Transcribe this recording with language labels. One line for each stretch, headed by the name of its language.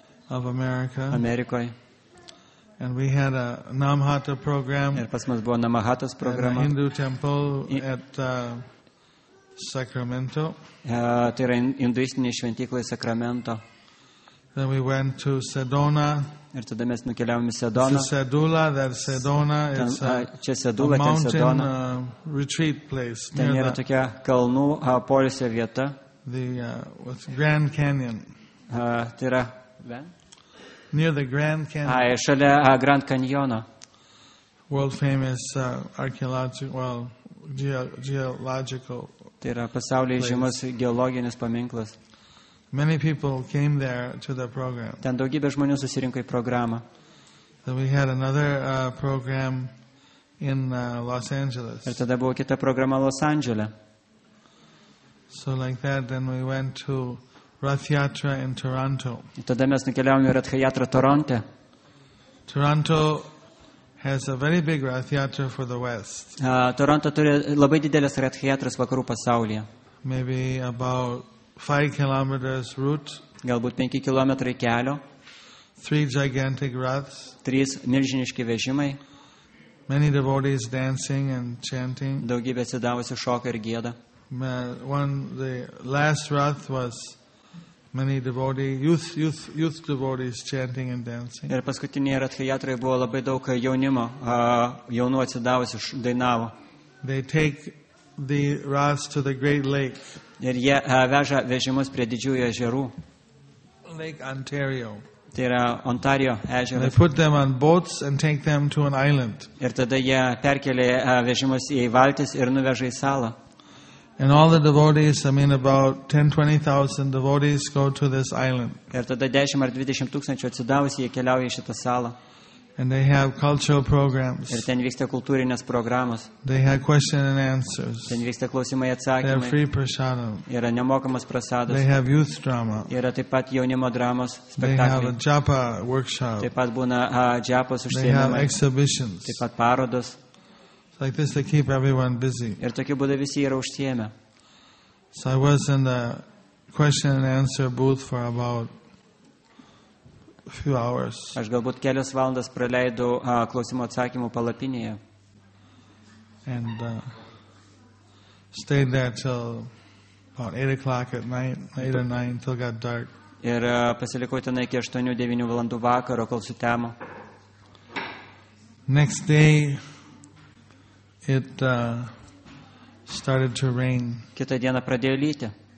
English: of America.
Lithuanian: Amerikoje.
English: And we had a Namahata program.
Lithuanian: Ir pas mus buvo Namahatas programa.
English: At a Hindu temple at Sacramento.
Lithuanian: Tai yra induistinė šventykla Sacramento.
English: Then we went to Sedona.
Lithuanian: Ir tada mes nukeliavom į Sedoną.
English: Sedula, that Sedona is
Lithuanian: čia Sedula,
English: a mountain,
Lithuanian: ten Sedona.
English: Retreat place.
Lithuanian: Ten yra tokia kalnų poilsio vieta.
English: The Grand Canyon.
Lithuanian: Tai yra
English: near the Grand Canyon.
Lithuanian: Ai, šalia Grand Canyono.
English: World famous geological.
Lithuanian: Tai yra pasaulyje žymus geologinis paminklas.
English: Many people came there to the program.
Lithuanian: Ten daugybė žmonių susirinko į programą.
English: Then we had another program in Los Angeles.
Lithuanian: Ir tada buvo kita programa Los Andžele.
English: So like that, then we went to Rath Yatra in Toronto.
Lithuanian: Ir tada mes nukeliavome į Rath Yatra Toronte.
English: Toronto has a very big Rath Yatra for the West.
Lithuanian: Toronto turi labai didelės Rath Yatras vakarų pasaulyje.
English: Maybe about 5 kilometers route.
Lithuanian: Galbūt 5 kilometrai kelio.
English: 3 gigantic rats.
Lithuanian: 3 milžiniški vežimai.
English: Many devotees dancing and chanting.
Lithuanian: Daugybė atsidavusių šoka ir gėda.
English: One, the last rath was many devotees, youth devotees chanting and dancing.
Lithuanian: Ir paskutinėje ratchayatroje buvo labai daug jaunimo, jaunų atsidavusių dainavo.
English: They take the raths to the great lake.
Lithuanian: Ir jie veža vežimus prie didžiųjų ežerų.
English: Lake Ontario.
Lithuanian: Tai yra Ontario ežeras.
English: They put them on boats and take them to an island.
Lithuanian: Ir tada jie perkelia vežimus į valtis ir nuveža į salą.
English: And all the devotees, I mean about 10-20,000 devotees go to this island.
Lithuanian: Ir tada 10 ar 20,000 atsidavusieji keliauja į šitą salą.
English: And they have cultural programs.
Lithuanian: Ir ten vyksta kultūrinės programos.
English: They have questions and answers.
Lithuanian: Ten vyksta klausimai atsakymai.
English: They have free prasadam.
Lithuanian: Yra nemokamas prasadas.
English: They have youth drama.
Lithuanian: Yra taip pat jaunimo dramos spektakliai.
English: They have a japa workshop.
Lithuanian: Taip pat būna japos užsiėmimai.
English: They have exhibitions.
Lithuanian: Taip pat parodos.
English: Like this, they keep everyone busy.
Lithuanian: Ir tokiu būdu visi yra užsiėmę.
English: So I was in the question and answer booth for about a few hours.
Lithuanian: Aš galbūt kelias valandas praleidau klausimų atsakymų palapinėje.
English: And stayed there till about 8 o'clock at night, 8 or 9, till got dark.
Lithuanian: Ir pasilikau tenai iki 8-9 valandų vakaro, kol sutemo.
English: Next day. It started to rain.
Lithuanian: Kita diena pradėjo lyti.